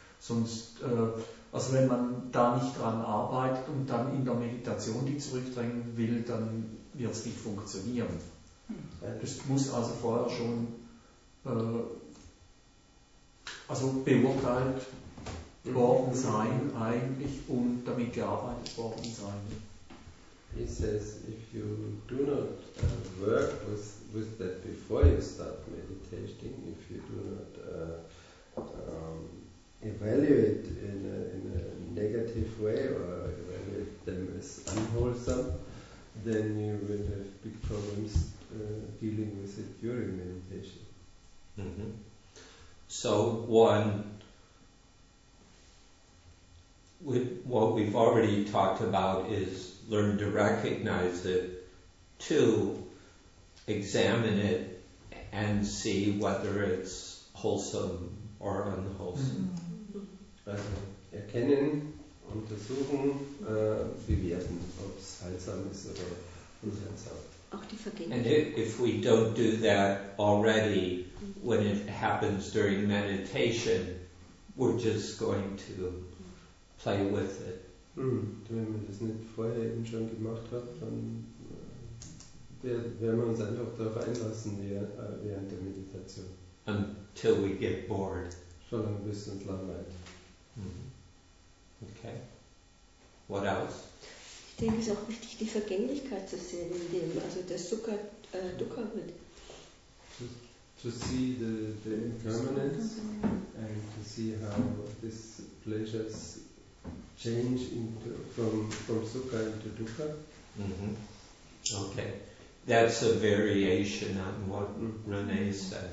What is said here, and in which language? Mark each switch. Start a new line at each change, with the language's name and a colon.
German: Sonst, also wenn man da nicht dran arbeitet und dann in der Meditation die zurückdrängen will, dann wird es nicht funktionieren. Es muss also vorher schon also beurteilt worden sein eigentlich und damit gearbeitet worden sein.
English: He says, if you do not work with that before you start meditating, if you do not evaluate in a negative way or evaluate them as unwholesome, then you will have big problems dealing with it during meditation. Mm-hmm. So one, what we've already talked about is learn to recognize it. Two, examine it and see whether it's wholesome or unwholesome.
German: Also erkennen, untersuchen, bewerten, ob es heilsam ist oder unheilsam. Auch die Vergänglichkeit.
English: And if we don't do that already, when it happens during meditation, we're just going to play with it.
German: Wenn wir das nicht vorher eben schon gemacht haben, dann werden wir uns einfach darauf einlassen während der Meditation.
English: Until we get bored.
German: Solange wir es uns langweilt.
English: Mm-hmm. Okay. What else?
German: Ich denke, es ist auch wichtig, die Vergänglichkeit zu sehen, in dem also der Zucker Dukkha wird.
English: To see the impermanence and to see how this pleasures change from sukha into dukkha. Mm-hmm. Okay, that's a variation on what Rene said.